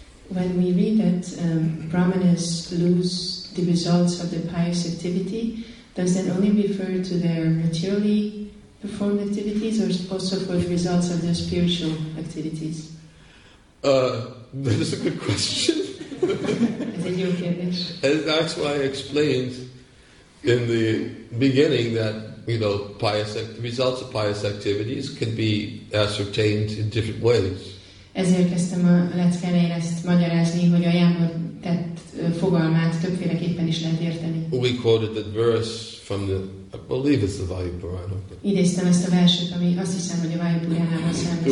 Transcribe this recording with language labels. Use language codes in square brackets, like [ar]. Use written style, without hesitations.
[en] When we read that Brahmanas lose the results of the pious activity, does that only refer to their materially performed activities or also for the results of their spiritual activities? That is a good question. And that's why I explained in the beginning that, you know, pious results of pious activities can be ascertained in different ways. [hu] Ezért kezdtem a leckénél ezt magyarázni, hogy a jámbor tett fogalmát többféleképpen is lehet érteni. [en] We quoted that verse from the, I believe it's the Vayupurana. [hu] Idéztem ezt a verset, ami azt hiszem, hogy a Vayupurana-ban származik.